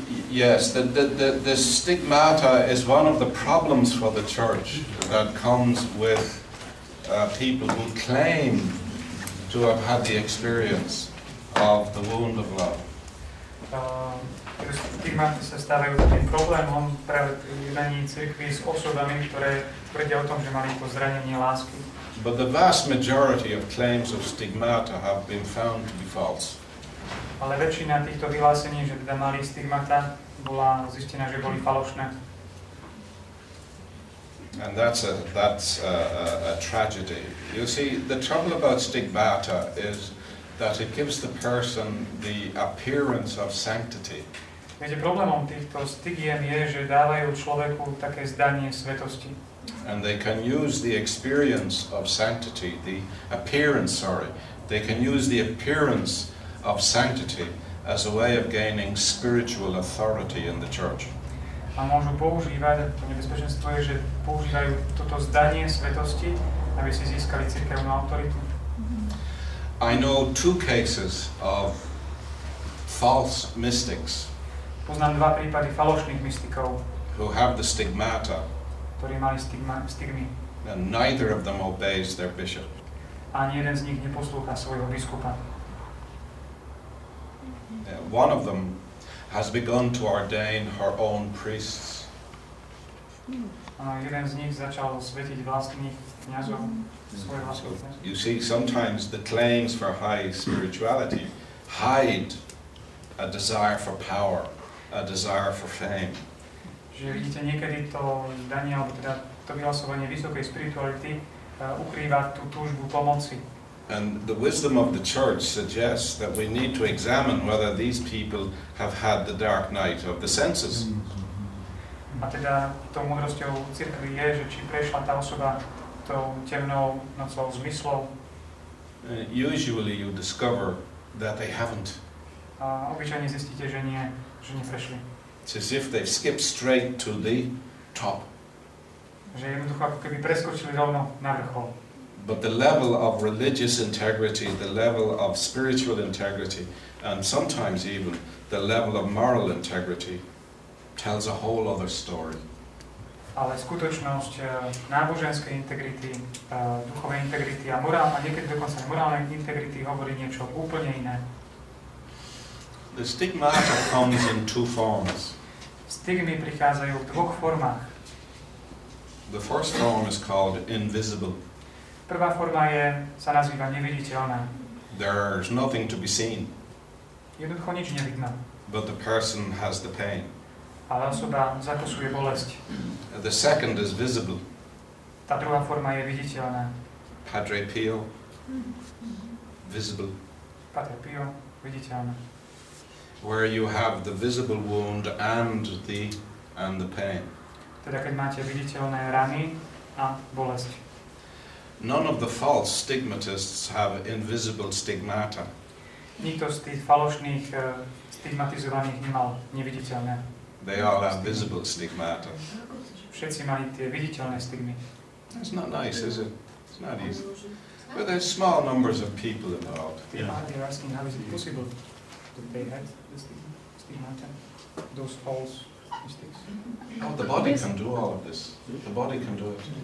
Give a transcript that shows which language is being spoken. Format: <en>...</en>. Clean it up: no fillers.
<en>Yes, the stigmata is one of the problems for the church that comes with people who claim to have had the experience of the wound of love.</en> <sk>Stigmata sa stávajú tým problémom práve pri jednaní cirkvi s osobami, ktoré tvrdia o tom, že mali to zranenie lásky.</sk> <en>But the vast majority of claims of stigmata have been found to be false.</en> <sk>Ale väčšina týchto vyhlásení, že teda mali stigmata, bola zistená, že boli falošné.</sk> <en>And that's a tragedy. You see, the trouble about stigmata is that it gives the person the appearance of sanctity.</en> <sk>Viete, problémom týchto stigiem je, že dávajú človeku také zdanie svetosti.</sk> <en>And they can use the experience of sanctity, the appearance of sanctity as a way of gaining spiritual authority in the church.</en> <sk>A môžu používať, to nebezpečenstvo je, že používajú toto zdanie svetosti, aby si získali cirkevnú autoritu.</sk> <en>I know two cases of false mystics.</en> <sk>Poznám dva prípady falošných mystikov,</sk> <en>who have the stigmata,</en> <sk>ktorí mali stigmy.</sk> <en>And neither of them obeys their bishop.</en> <sk>Ani jeden z nich neposlúcha svojho biskupa.</sk> <en>One of them has begun to ordain her own priests.</en> <sk>Jeden z nich začal svetiť vlastných kňazov, svojich vlastných kňazov.</sk> <en>You see, sometimes the claims for high spirituality hide a desire for power, a desire for fame.</en> <sk>Že vidíte, niekedy to zdanie, alebo teda to vyhlasovanie vysokej spirituality ukrýva tú túžbu pomoci.</sk> <en>And the wisdom of the church suggests that we need to examine whether these people have had the dark night of the senses.</en> <sk>A teda tou múdrosťou cirkvi je, že či prešla tá osoba tou temnou nocou zmyslov.</sk> <en>Usually you discover that they haven't.</en> <sk>A obyčajne zistíte, že nie, že neprešli.</sk> <en>It's as if they've skipped straight to the top.</en> <sk>Že jednoducho ako keby preskočili rovno na vrchol.</sk> <en>But the level of religious integrity, the level of spiritual integrity, and sometimes even the level of moral integrity tells a whole other story.</en> <sk>Ale skutočnosť náboženskej integrity, duchovej integrity a morálna, niekedy dokonca aj morálnej integrity hovorí niečo úplne iné.</sk> <en>The stigmata comes in two forms.</en> <sk>Stigmy prichádzajú v dvoch formách.</sk> <en>The first form is called invisible.</en> <sk>Prvá forma je, sa nazýva neviditeľná.</sk> <en>there's nothing to be seen.</en> <sk>Jednoducho nič nevidno.</sk> <en>But the person has the pain.</en> <sk>A osoba zakusuje bolesť.</sk> <en>The second is visible.</en> <sk>Tá druhá forma je viditeľná.</sk> <en>Padre Pio. Visible.</en> <sk>Padre Pio, viditeľná.</sk> <en>Where you have the visible wound and the pain.</en> <sk>Teda keď máte viditeľné rany a bolesť.</sk> <en>None of the false stigmatists have invisible stigmata.</en> <sk>Nikto z tých falošných stigmatizovaných nemal neviditeľné.</sk> <en>They all have visible stigmata.</en> <sk>Všetci mali tie viditeľné stigmy.</sk> <en>It's not nice, is it? It's not easy. But there's small numbers of people involved. Yeah. They're asking how is it possible that they had the stigmata, those false mistakes. Oh, the body can do all of this. The body can do it.</en>